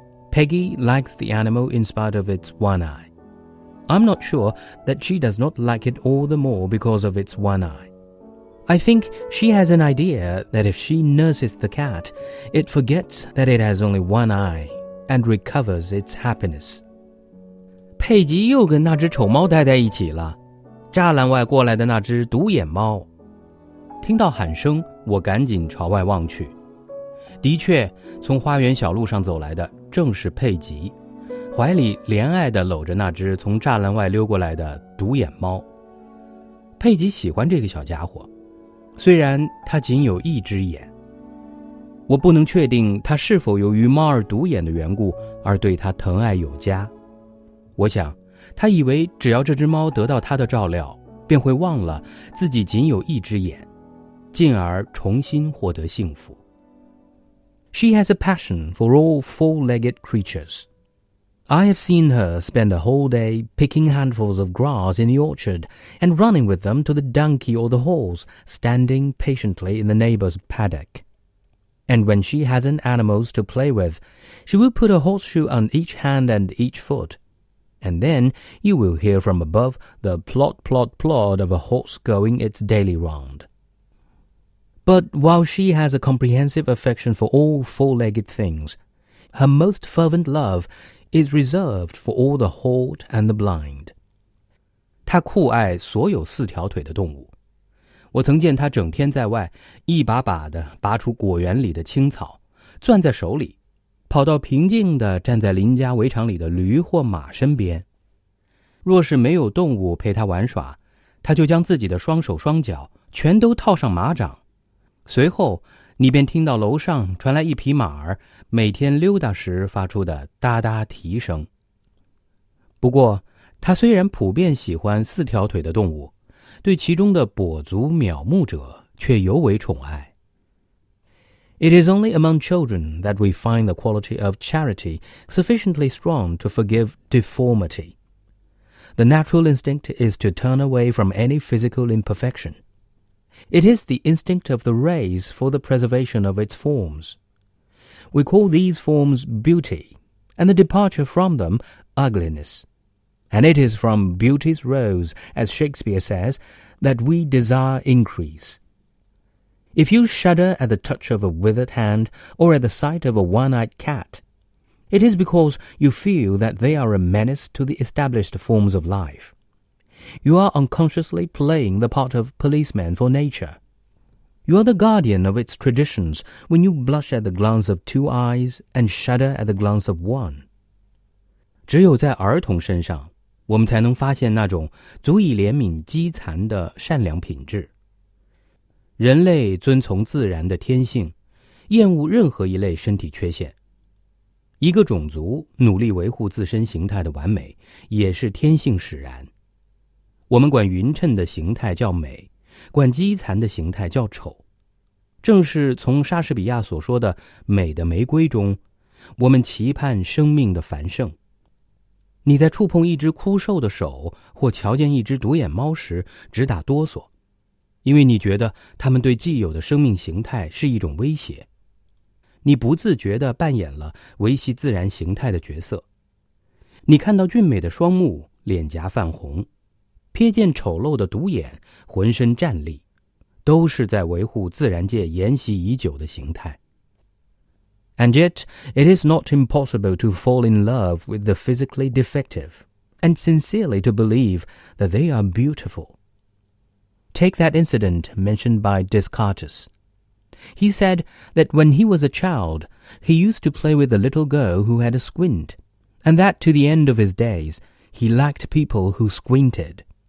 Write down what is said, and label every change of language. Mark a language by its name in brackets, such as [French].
[English] Peggy likes the animal in spite of its one eye. I'm not sure that she does not like it all the more because of its one eye. I think she has an idea that if she nurses the cat, it forgets that it has only one eye and recovers its happiness. [Chinese] 佩吉又跟那只丑猫待在一起了，栅栏外过来的那只独眼猫。听到喊声，我赶紧朝外望去。的确，从花园小路上走来的正是佩吉，怀里怜爱地搂着那只从栅栏外溜过来的独眼猫。佩吉喜欢这个小家伙，虽然它仅有一只眼。我不能确定它是否由于猫儿独眼的缘故而对它疼爱有加。我想，它以为只要这只猫得到它的照料，便会忘了自己仅有一只眼，进而重新获得幸福。 [English] She has a passion for all four-legged creatures. I have seen her spend a whole day picking handfuls of grass in the orchard and running with them to the donkey or the horse standing patiently in the neighbor's paddock. And when she hasn't animals to play with, she will put a horseshoe on each hand and each foot. And then you will hear from above the plod, plod, plod of a horse going its daily round. But while she has a comprehensive affection for all four-legged things, her most fervent love is reserved for all the halt and the blind. [Chinese] 她酷爱所有四条腿的动物。我曾见她整天在外，一把把地拔出果园里的青草，攥在手里，跑到平静地站在邻家围场里的驴或马身边。若是没有动物陪他玩耍，他就将自己的双手双脚全都套上马掌。随后，你便听到楼上传来一匹马儿每天溜达时发出的哒哒蹄声。不过，他虽然普遍喜欢四条腿的动物，对其中的跛足渺目者却尤为宠爱。 [English] It is only among children that we find the quality of charity sufficiently strong to forgive deformity. The natural instinct is to turn away from any physical imperfection. It is the instinct of the race for the preservation of its forms. We call these forms beauty, and the departure from them ugliness. And it is from beauty's rose, as Shakespeare says, that we desire increase. If you shudder at the touch of a withered hand or at the sight of a one-eyed cat, it is because you feel that they are a menace to the established forms of life. You are unconsciously playing the part of policeman for nature. You are the guardian of its traditions when you blush at the glance of two eyes and shudder at the glance of one. [Chinese] 只有在儿童身上，我们才能发现那种足以怜悯饥残的善良品质。人类遵从自然的天性，厌恶任何一类身体缺陷。一个种族努力维护自身形态的完美，也是天性使然。我们管匀称的形态叫美，管饥残的形态叫丑。正是从莎士比亚所说的《美的玫瑰》中，我们期盼生命的繁盛。你在触碰一只枯瘦的手，或瞧见一只独眼猫时，直打哆嗦。因为你觉得他们对既有的生命形态是一种威胁，你不自觉地扮演了维系自然形态的角色。你看到俊美的双目，脸颊泛红，瞥见丑陋的独眼，浑身战栗，都是在维护自然界沿袭已久的形态。 [English] And yet, it is not impossible to fall in love with the physically defective, and sincerely to believe that they are beautiful. Take that incident mentioned by Descartes. He said that when he was a child, he used to play with a little girl who had a squint, and that to the end of his days, he liked people who squinted.